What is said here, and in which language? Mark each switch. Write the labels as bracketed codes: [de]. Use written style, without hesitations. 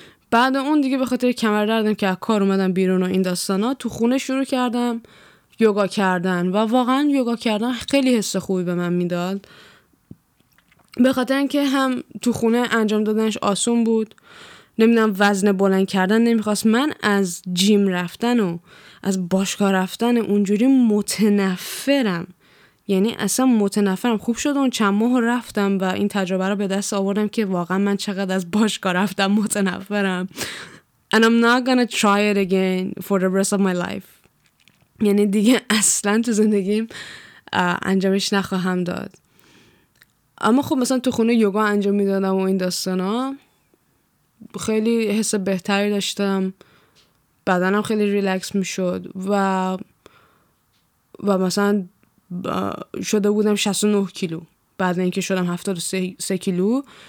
[fa] بعد اون دیگه به خاطر کمر دردم که از کار اومدم بیرون و این داستان ها، تو خونه شروع کردم یوگا کردن و واقعا یوگا کردن خیلی حس خوبی به من میداد، به خاطر اینکه هم تو خونه انجام دادنش آسون بود، نمیدونم وزن بلند کردن نمیخواست. من از جیم رفتن و از باشگاه رفتن اونجوری متنفرم، یعنی اصلا متنفرم. خوب شد اون چند ماه رفتم و این تجربه رو به دست آوردم که واقعا من چقدر از باشگاه رفتن متنفرم. [en] And I'm not gonna try it again for the rest of my life. [fa] یعنی دیگه اصلا تو زندگیم انجامش نخواهم داد. اما خب مثلا تو خونه یوگا انجام میدادم و این داستانا، خیلی حس بهتری داشتم، بدنم خیلی ریلکس میشد و مثلا شده بودم 69 کیلو بعد اینکه شدم 73 کیلو.